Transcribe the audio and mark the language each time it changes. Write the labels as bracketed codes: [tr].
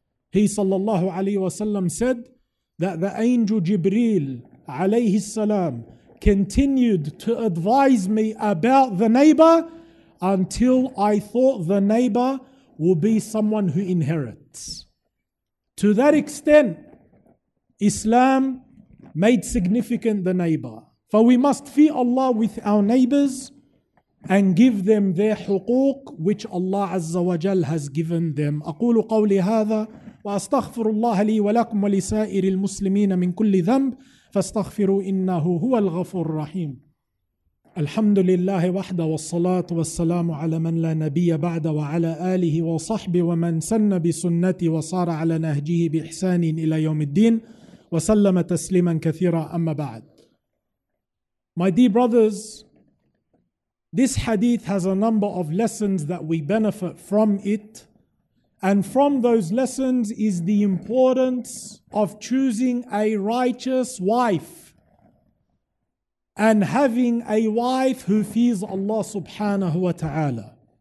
[en] He sallallahu alayhi wa sallam said that the angel Jibreel alayhi salam continued to advise me about the neighbor until I thought the neighbor will be someone who inherits. To that extent, Islam made significant the neighbor. For we must fear Allah with our neighbors and give them their حقوق which Allah Azza wa Jal has given them. [ar] أقول قولي هذا وأستغفر الله لي ولكم ولسائر المسلمين من كل ذنب فاستغفروا إنه هو الغفور الرحيم. الحمد لله وحده والصلاة والسلام على من لا نبي بعد وعلى آله وصحبه ومن سن بسنته وصار على نهجه بإحسان إلى يوم الدين وسلم تسليما كثيرا أما بعد. [en] My dear brothers, this hadith has a number of lessons that we benefit from it. And from those lessons is the importance of choosing a righteous wife and having a wife who fears Allah subhanahu wa ta'ala.